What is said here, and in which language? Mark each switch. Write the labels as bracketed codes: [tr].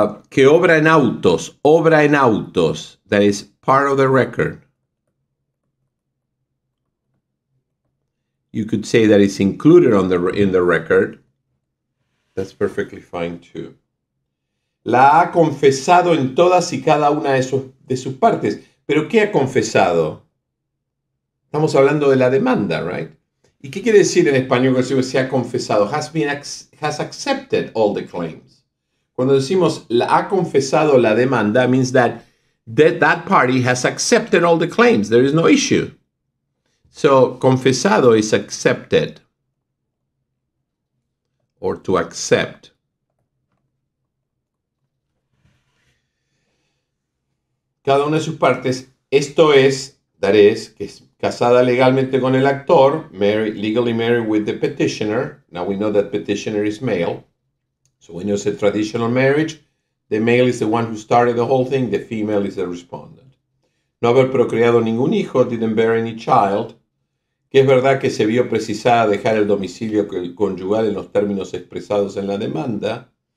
[es] Que obra en autos. Obra en autos. [en] That is part of the record. You could say that it's included on the in the record. That's perfectly fine too. [es] La ha confesado en todas y cada una de sus partes. Pero ¿qué ha confesado? Estamos hablando de la demanda, right? ¿Y qué quiere decir en español cuando decimos se ha confesado? [en] Has accepted all the claims. [es] Cuando decimos la ha confesado la demanda, [en] means that party has accepted all the claims. There is no issue. So, confesado is accepted, or to accept. [es] Cada una de sus partes, esto es, [en] that is, [es] que es casada legalmente con el actor, [en] married, legally married with the petitioner. Now we know that petitioner is male. So when it's a traditional marriage, the male is the one who started the whole thing, the female is the respondent. [es] No haber procreado ningún hijo, [en] didn't bear any child. [es] Que es verdad que se vio precisada dejar el domicilio conyugal en los términos expresados en la demanda.